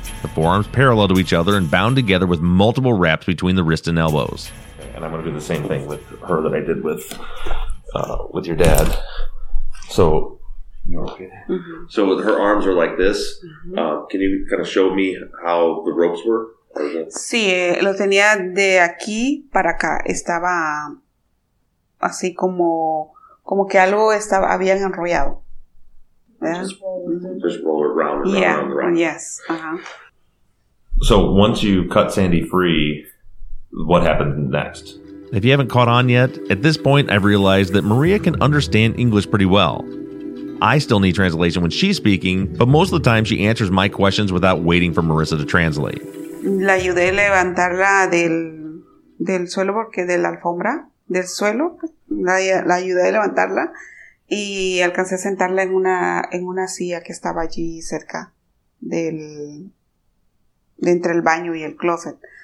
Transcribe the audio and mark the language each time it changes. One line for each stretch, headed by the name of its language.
English: The forearms parallel to each other and bound together with multiple wraps between the wrist and elbows. And I'm going to do the same thing with her that I did with your dad. So, you're okay. Mm-hmm. So her arms are like this. Mm-hmm. Can you kind of show me how the ropes were?
Spanish: Sí, lo tenía de aquí para acá. Estaba así como que algo estaba habían enrollado.
English: Just roll it round and round and round. Yes. So once you cut Sandy free, what happened next? If you haven't caught on yet, at this point I've realized that Maria can understand English pretty well. I still need translation when she's speaking, but most of the time she answers my questions without waiting for Marissa to translate.
Spanish: La ayudé a levantarla del suelo, porque de la alfombra, del suelo, la ayudé a levantarla y alcancé a sentarla en una silla que estaba allí cerca de entre el baño y el closet.